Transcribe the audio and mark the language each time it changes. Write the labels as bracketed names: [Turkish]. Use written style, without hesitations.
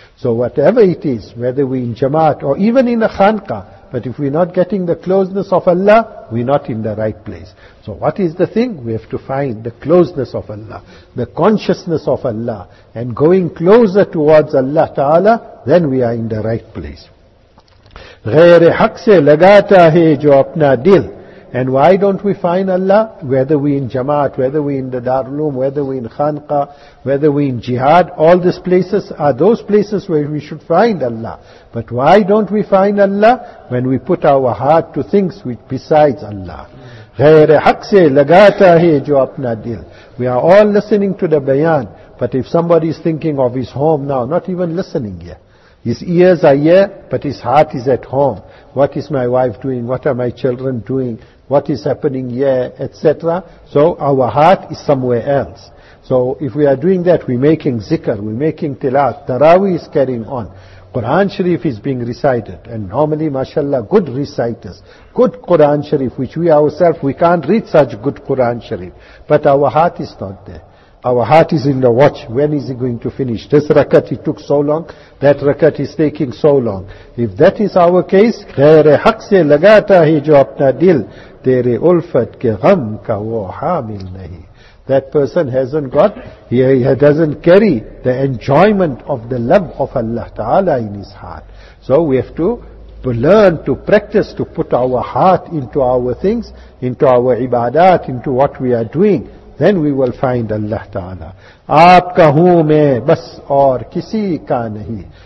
[English] So whatever it is, whether we in Jamaat or even in a Khanqa, but if we're not getting the closeness of Allah, we're not in the right place. So what is the thing? We have to find the closeness of Allah, the consciousness of Allah, and going closer towards Allah ta'ala, then we are in the right place. [Urdu] غیر حق سے لگاتا ہے جو اپنا دل. [English] And why don't we find Allah? Whether we in Jamaat, whether we in the Darul Uloom, whether we in Khanqa, whether we in Jihad, all these places are those places where we should find Allah. But why don't we find Allah? When we put our heart to things which besides Allah. [Urdu] غیر حق سے لگاتا ہے جو اپنا دل. [English] We are all listening to the bayan, but if somebody is thinking of his home now, not even listening yet. His ears are here, but his heart is at home. What is my wife doing? What are my children doing? What is happening here, etc. So our heart is somewhere else. So if we are doing that, we're making zikr, we're making tilawat, taraweeh is carrying on. Quran Sharif is being recited, and normally, mashallah, good reciters, good Quran Sharif, which we ourselves, we can't read such good Quran Sharif. But our heart is not there. Our heart is in the watch. When is he going to finish? This rakat, he took so long. That rakat is taking so long. If that is our case, [Urdu] غیر حق سے لگاتا ہی جو اپنا دل تیرے الفت کے غم کا وہ حامل نہیں. [English] That person hasn't got, he doesn't carry the enjoyment of the love of Allah Ta'ala in his heart. So we have to learn to practice to put our heart into our things, into our ibadat, into what we are doing. Then we will find Allah Ta'ala. [Urdu] Aap ka hoon main bas aur kisi ka nahi.